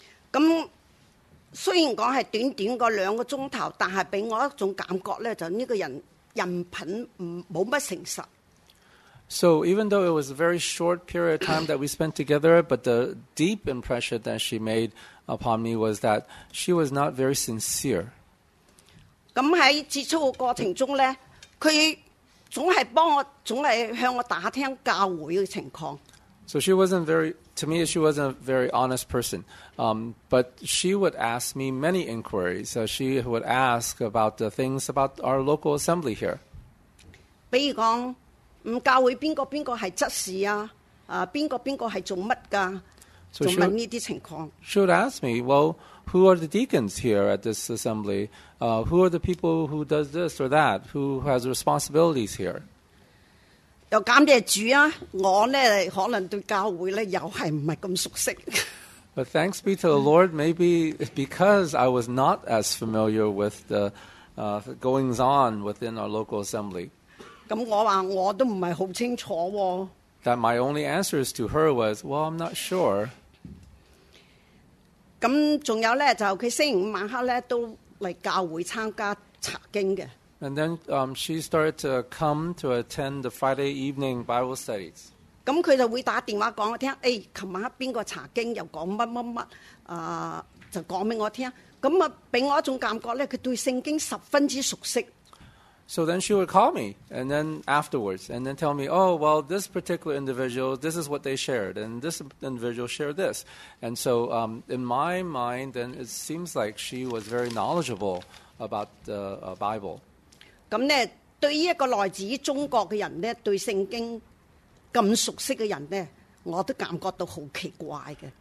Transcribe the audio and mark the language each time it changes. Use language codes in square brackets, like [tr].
[yue] 咁虽然讲系短短个两个钟头，但系俾我一种感觉咧，就呢个人人品冇乜诚实。 [en] So even though it was a very short period of time that we spent together, but the deep impression that she made upon me was that she was not very sincere. [yue] 咁喺接触嘅过程中咧，佢总系帮我，总系向我打听教会嘅情况。 [en] So she wasn't very, to me, she wasn't a very honest person. But she would ask me many inquiries. So she would ask about the things about our local assembly here. [yue] 比如讲，教会边个边个系执事啊？边个边个系做乜噶？仲问呢啲情况。 [en] She would ask me, well, who are the deacons here at this assembly? Who are the people who does this or that? Who has responsibilities here? [yue] 又感謝主啊！我咧可能對教會咧又係唔係咁熟悉。 [en] But thanks be to the Lord, maybe because I was not as familiar with the goings on within our local assembly. [yue] 咁我話我都唔係好清楚喎。 [en] That my only answers to her was, well, I'm not sure. [yue] 咁仲有咧，就佢星期五晚黑咧都嚟教會參加查經嘅。 [en] And then she started to come to attend the Friday evening Bible studies. [yue] 咁佢就會打電話講我聽，誒，琴晚邊個查經又講乜乜乜，就講俾我聽。咁啊，俾我一種感覺咧，佢對聖經十分之熟悉。 [en] So then she would call me, and then afterwards, and then tell me, oh, well, this particular individual, this is what they shared, and this individual shared this. And so in my mind, then it seems like she was very knowledgeable about the Bible. [yue] 咁咧，對於一個來自中國嘅人咧，對聖經咁熟悉嘅人咧，我都感覺到好奇怪嘅。